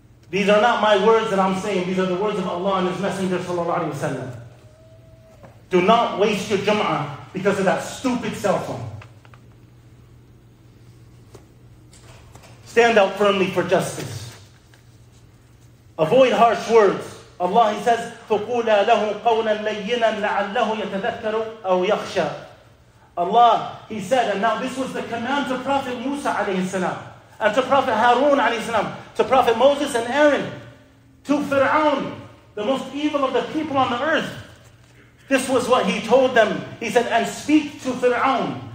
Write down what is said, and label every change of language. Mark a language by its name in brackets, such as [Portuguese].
[English] These are not my words that I'm saying, these are the words of Allah and His Messenger sallallahu alayhi wa sallam. Do not waste your jum'ah because of that stupid cell phone. Stand out firmly for justice. Avoid harsh words. Allah, He says, [Arabic] فَقُولَا لَهُ قَوْلًا لَيِّنًا لَعَلَّهُ يَتَذَكَّرُ أَوْ يَخْشَى. [English] Allah, He said, and now this was the command to Prophet Musa alayhi salam, and to Prophet Harun alayhi salam, to Prophet Moses and Aaron, to Fir'aun, the most evil of the people on the earth. This was what He told them. He said, and speak to Fir'aun.